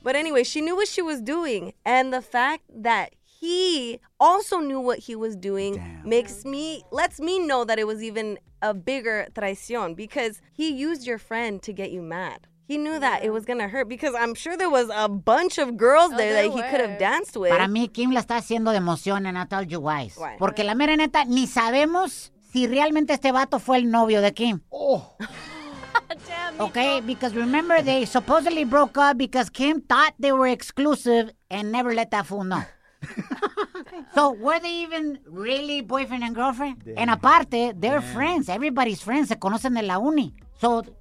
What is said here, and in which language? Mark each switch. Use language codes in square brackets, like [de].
[en] But anyway, she knew what she was doing. And the fact that he also knew what he was doing lets me know that it was even a bigger traición because he used your friend to get you mad. He knew that it was going to hurt because I'm sure there was a bunch of girls there that he could have danced with. [es] Para mí, Kim la está haciendo de emoción, [en] and I told you why. [es] Porque la mera neta, ni sabemos si realmente este vato fue el novio de Kim. [en] Oh. Okay, because remember, they supposedly broke up because Kim thought they were exclusive and never let that fool know. So were they even really boyfriend and girlfriend? Damn. And aparte, they're friends. Everybody's friends. [es] Se conocen de la uni. [en] So